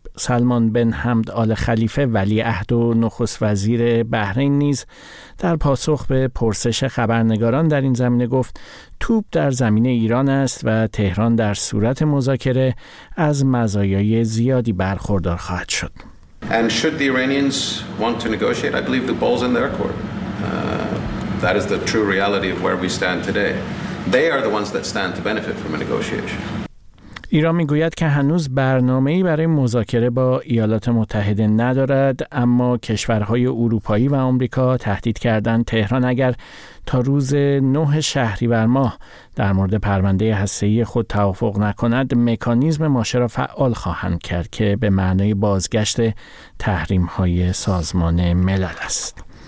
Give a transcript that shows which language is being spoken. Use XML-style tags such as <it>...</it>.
<fa>سلمان بن حمد آل خلیفه ولیعهد و نخست وزیر بحرین نیز در پاسخ به پرسش خبرنگاران در این زمینه گفت توپ در زمین ایران است و تهران در صورت مذاکره از مزایای زیادی برخوردار خواهد شد.</fa> <en>And should the Iranians want to negotiate, I believe the ball's in their court. That is the true reality of where we stand today. They are the ones that stand to benefit from a negotiation.</en> <fa>ایران میگوید که هنوز برنامه‌ای برای مذاکره با ایالات متحده ندارد، اما کشورهای اروپایی و آمریکا تهدید کردند تهران اگر تا روز 9 شهریور ماه در مورد پرونده هسته‌ای خود توافق نکند مکانیزم ماشه را فعال خواهند کرد که به معنای بازگشت تحریم‌های سازمان ملل است.</fa>